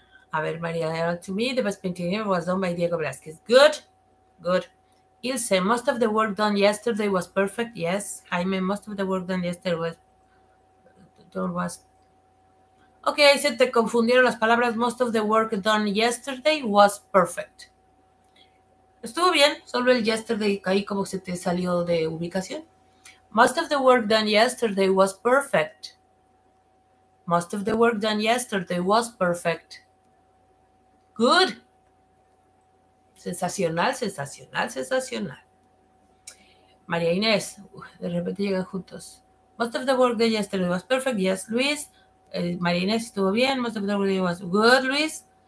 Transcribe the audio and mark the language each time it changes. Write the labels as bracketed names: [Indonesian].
[English] A ver, María, to me, the best painting ever was done by Diego Velázquez. Good, good. Ilse, most of the work done yesterday was perfect. Yes, Jaime, most of the work done yesterday was... [Spanish] Okay, ahí se te confundieron las palabras. [English] Most of the work done yesterday was perfect. [Spanish] Estuvo bien, solo el yesterday caí como que se te salió de ubicación. [English] Most of the work done yesterday was perfect. Most of the work done yesterday was perfect. Good. [Spanish] Sensacional, sensacional, sensacional. María Inés, de repente llegan juntos. [English] Most of the work done yesterday was perfect. Yes, Luis. María Inés, [Spanish] estuvo bien. [English] Most of the work was good, Luis.